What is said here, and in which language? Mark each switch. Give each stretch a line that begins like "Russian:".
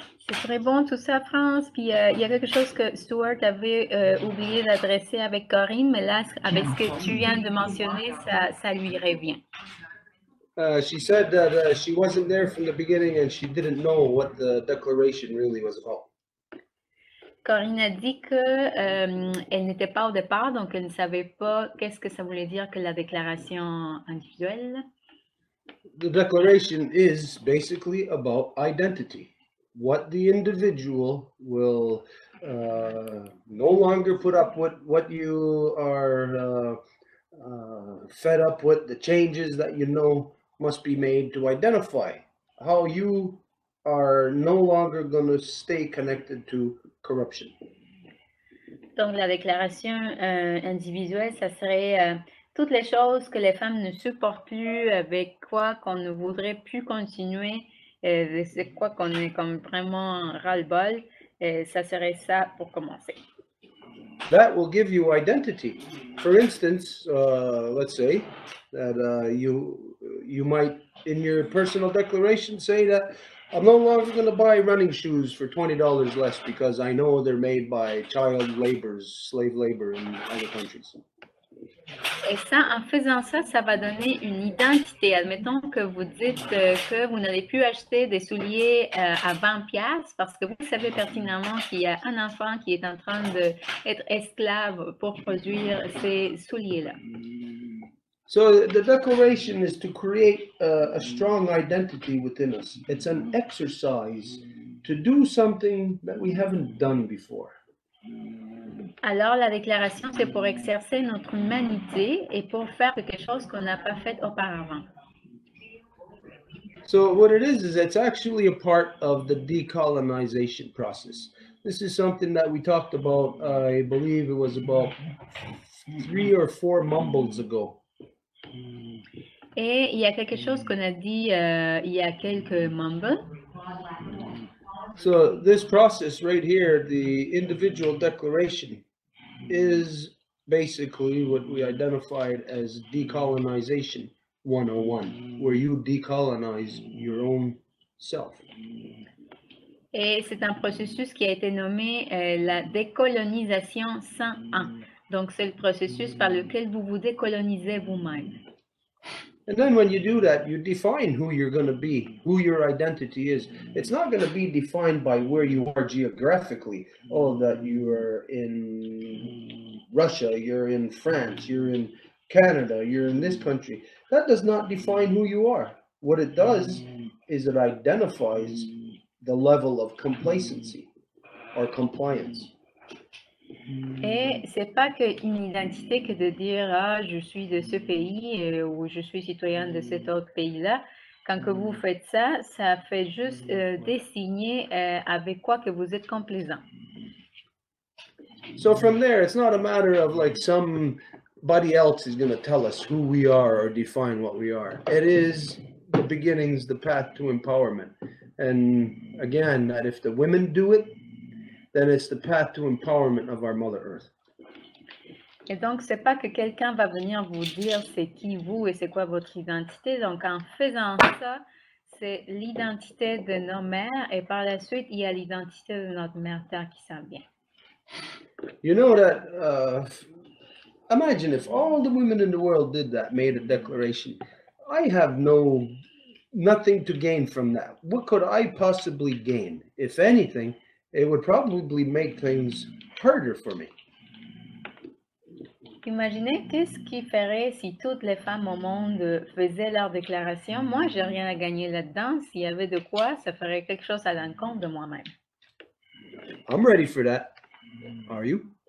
French: Ce serait bon tout ça, France, puis il y a quelque chose que Stuart avait oublié d'adresser avec Corinne, mais là, avec ce que tu viens de mentionner, ça lui revient.
English: She said that she wasn't there from the beginning and she didn't know what the declaration really was about.
French: Corinne a dit qu'elle n'était pas au départ, donc elle ne savait pas qu'est-ce que ça voulait dire que la déclaration individuelle.
English: The declaration is basically about identity. What the individual will no longer put up with, what you are fed up with, the changes that you know must be made to identify how you are no longer going to stay connected to corruption.
French: Donc la déclaration individuelle, ça serait toutes les choses que les femmes ne supportent plus, avec quoi qu'on ne voudrait plus continuer, c'est quoi qu'on est comme vraiment ras-le-bol, ça serait ça pour commencer.
English: That will give you identity. For instance, let's say that you might in your personal declaration say that I'm no longer going to buy running shoes for $20 less because I know they're made by child laborers, slave labor in other countries.
French: Et ça, en faisant ça, ça va donner une identité. Admettons que vous dites que vous n'allez plus acheter des souliers à 20$ parce que vous savez pertinemment qu'il y a un enfant qui est en train d'être esclave pour produire ces souliers-là.
English: So the declaration is to create a strong identity within us. It's an exercise to do something that we haven't done before.
French: Alors la déclaration c'est pour exercer notre humanité et pour faire quelque chose qu'on n'a pas fait auparavant.
English: So what it is it's actually a part of the decolonization process. This is something that we talked about, I believe it was about 3 or 4 mumbles ago.
French: Et il y a quelque chose qu'on a dit il y a quelques membres.
English: So this process right here, the individual declaration, is basically what we identified as decolonization 101, where you decolonize your own self.
French: Et c'est un processus qui a été nommé la décolonisation 101. Donc c'est le processus par lequel vous vous décolonisez vous-même.
English: And then when you do that, you define who you're going to be, who your identity is. It's not going to be defined by where you are geographically. Oh, that you are in Russia, you're in France, you're in Canada, you're in this country. That does not define who you are. What it does is it identifies the level of complacency or compliance.
French: Et c'est pas qu'une identité que de dire ah je suis de ce pays ou je suis citoyen de cet autre pays-là. Quand que vous faites ça, ça fait juste dessiner avec quoi que vous êtes complaisant.
English: So from there, it's not a matter of like somebody else is going to tell us who we are or define what we are. It is the beginnings, the path to empowerment. And again, that if the women do it, then it's the path to empowerment of our Mother Earth.
French: Et donc, ce n'est pas que quelqu'un va venir vous dire c'est qui vous et c'est quoi votre identité. Donc, en faisant ça, c'est l'identité de nos mères et par la suite, il y a l'identité de notre mère terre qui s'en vient.
English: You know that, imagine if all the women in the world did that, made a declaration. I have nothing to gain from that. What could I possibly gain? If anything, it would probably make things harder for me.
French: Imaginez qu'est-ce qui ferait si toutes les femmes au monde faisaient leur déclaration. Moi, j'ai rien à gagner là-dedans. S'il y avait de quoi, ça ferait quelque chose à l'encontre de moi-même.
English: I'm ready for that. Are you?